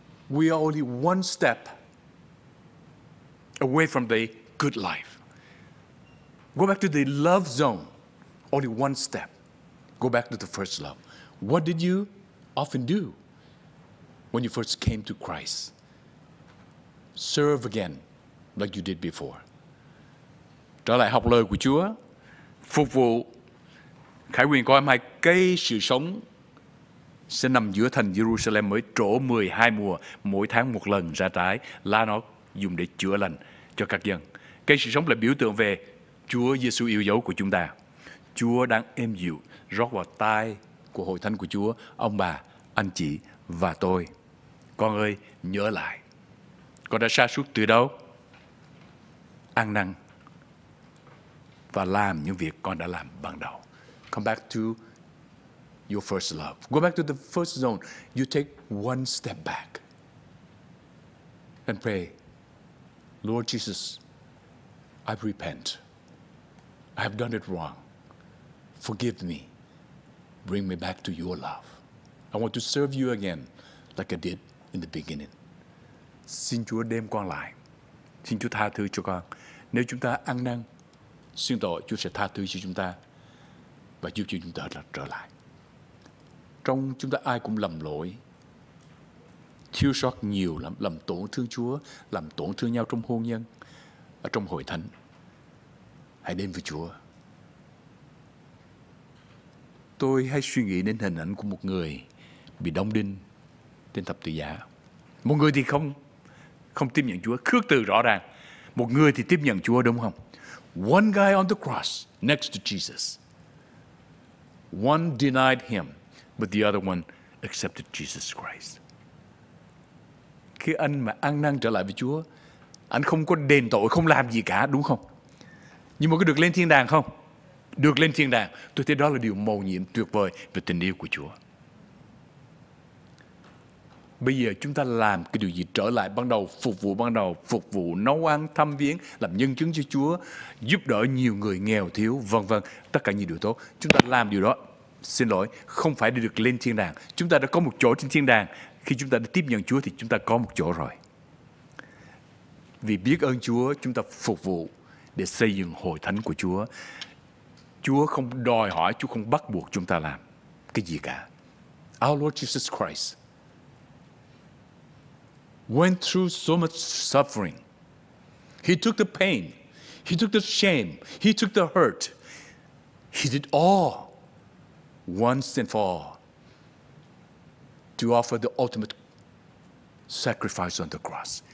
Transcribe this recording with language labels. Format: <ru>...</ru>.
<en>We are only one step away from the good life. Go back to the love zone, only one step. go back to the first love. What did you often do when you first came to Christ? Serve again like you did before.</en> <vi>Trở lại học lời của Chúa, phục vụ. Khải Huyền coi mai cây sự sống sẽ nằm giữa thành Jerusalem mới trổ 12 mùa, mỗi tháng một lần ra trái, lá nó dùng để chữa lành cho các dân. Cây sự sống là biểu tượng về Chúa Giêsu yêu dấu của chúng ta. Chúa đang êm dịu rót vào tai của hội thánh của Chúa, ông bà, anh chị và tôi. Con ơi, nhớ lại. Con đã sa sút từ đâu? Ăn năn và làm những việc con đã làm ban đầu.</vi> <en>Come back to your first love. Go back to the first zone. You take one step back and pray, Lord Jesus, I repent. I have done it wrong. Forgive me. Bring me back to your love. I want to serve you again like I did in the beginning.</en> <vi>Xin Chúa đem con lại. Xin Chúa tha thứ cho con. Nếu chúng ta ăn năn, xin tội, Chúa sẽ tha thứ cho chúng ta và giúp cho chúng ta trở lại. Trong chúng ta ai cũng lầm lỗi, thiếu sót nhiều lắm, làm tổn thương Chúa, làm tổn thương nhau trong hôn nhân, ở trong hội thánh. Hãy đến với Chúa. Tôi hay suy nghĩ đến hình ảnh của một người bị đóng đinh trên thập tự giá. Một người thì không tiếp nhận Chúa, khước từ rõ ràng. Một người thì tiếp nhận Chúa, đúng không?</vi> <en>One guy on the cross next to Jesus. One denied him, but the other one accepted Jesus Christ.</en> <vi>Khi anh mà ăn năn trở lại với Chúa, anh không có đền tội, không làm gì cả, đúng không? Nhưng mà có được lên thiên đàng không? Được lên thiên đàng. Tôi thấy đó là điều mầu nhiệm tuyệt vời về tình yêu của Chúa. Bây giờ chúng ta làm cái điều gì trở lại ban đầu, phục vụ ban đầu, phục vụ, nấu ăn, thăm viếng, làm nhân chứng cho Chúa, giúp đỡ nhiều người nghèo thiếu, vân vân, tất cả những điều tốt. Chúng ta làm điều đó, xin lỗi, không phải để được lên thiên đàng. Chúng ta đã có một chỗ trên thiên đàng. Khi chúng ta đã tiếp nhận Chúa thì chúng ta có một chỗ rồi. Vì biết ơn Chúa, chúng ta phục vụ để xây dựng hội thánh của Chúa. Chúa không đòi hỏi, Chúa không bắt buộc chúng ta làm cái gì cả.</vi> <en>Our Lord Jesus Christ went through so much suffering. He took the pain. He took the shame. He took the hurt. He did all once and for all to offer the ultimate sacrifice on the cross.</en>